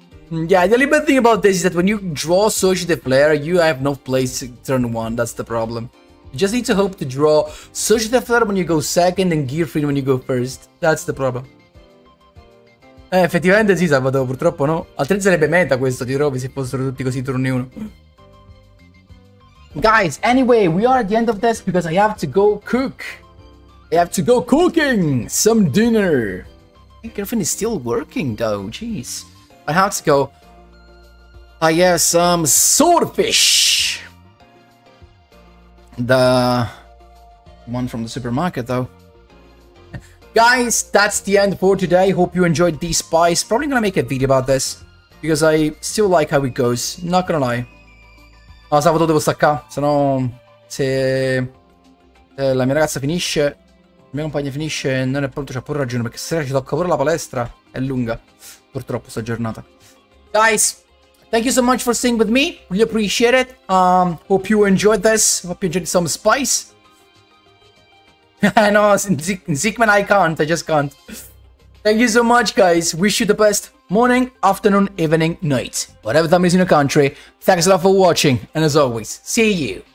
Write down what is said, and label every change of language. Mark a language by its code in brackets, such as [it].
[en] Yeah, the only bad thing about this is that when you draw Soshi the player, you have no place turn one. That's the problem. You just need to hope to draw Soshi the player when you go second and Gearfriend when you go first. That's the problem. [it] Effettivamente sì, Salvato, purtroppo no. Altrimenti sarebbe meta questo, ti trovi se fossero tutti così turni uno. [en] Guys, anyway, we are at the end of this because I have to go cook. I have to go cooking some dinner. Gearfriend is still working though, jeez. I have to go. I have some swordfish. The one from the supermarket, though. Guys, that's the end for today. Hope you enjoyed these spies. Probably gonna make a video about this because I still like how it goes. Not gonna lie. [it] Ah, sabato devo staccare. Sennò se la mia ragazza finisce, la mia compagna finisce, non è pronto, c'ha pure ragione perché se ci tocca pure la palestra è lunga. Purtroppo sta giornata. [en] Guys, thank you so much for staying with me. Really appreciate it. Hope you enjoyed this. Hope you enjoyed some spice. I know, Zeke, I can't. I just can't. Thank you so much, guys. Wish you the best morning, afternoon, evening, night. Whatever time is in your country. Thanks a lot for watching. And as always, see you.